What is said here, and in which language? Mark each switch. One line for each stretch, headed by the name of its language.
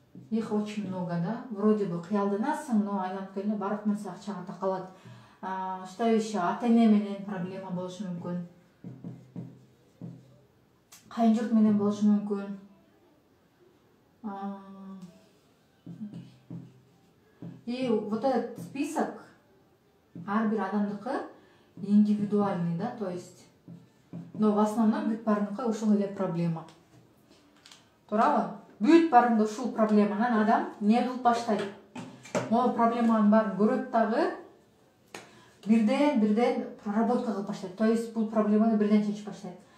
Russian: Их очень много, да? Вроде бы
Kyrgyz: кыялданасың, но айланып келгенде барып нерсе акчага такалат.
Russian: Что еще?
Kyrgyz: Ата эне менен проблема болушу мүмкүн. Кайын журт менен болушу мүмкүн.
Russian: И вот этот список
Kyrgyz: ар бир адамдыкы
Russian: индивидуальный, да, то есть. Но в основном
Kyrgyz: бүт баарыныкы ушул эле проблема. Туурабы? Бүт баарында ушул проблеманан адам эмне кылып баштайт? Могу проблеманын баарын көрөт дагы бирден проработка кылып баштайт. То есть бул проблеманы бирден чечип баштайт.